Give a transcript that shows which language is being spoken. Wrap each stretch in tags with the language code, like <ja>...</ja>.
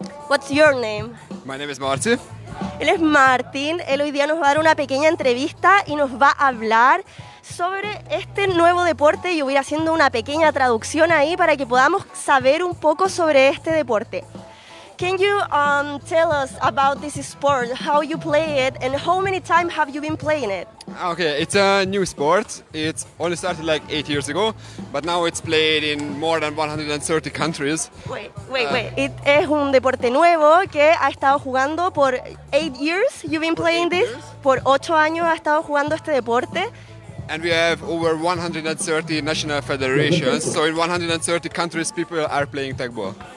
<en>What's your name? My name is Martin.</en> <es>Él es Martin. Él hoy día nos va a dar una pequeña entrevista y nos va a hablar sobre este nuevo deporte. Yo voy haciendo una pequeña traducción ahí para que podamos saber un poco sobre este deporte.</es> <en>Can you tell us about this sport, how you play it, and how many times have you been playing it? Okay, it's a new sport. It only started like 8 years ago, but now it's played in more than 130 countries. Wait.</en> <es>It es un deporte nuevo que ha estado jugando por</es> <en>8 years. You've been for playing this? Years?</en> <es>Por 8 años ha estado jugando este deporte.</es> <en>And we have over 130 national federations, so in 130 countries people are playing tagbo.</en>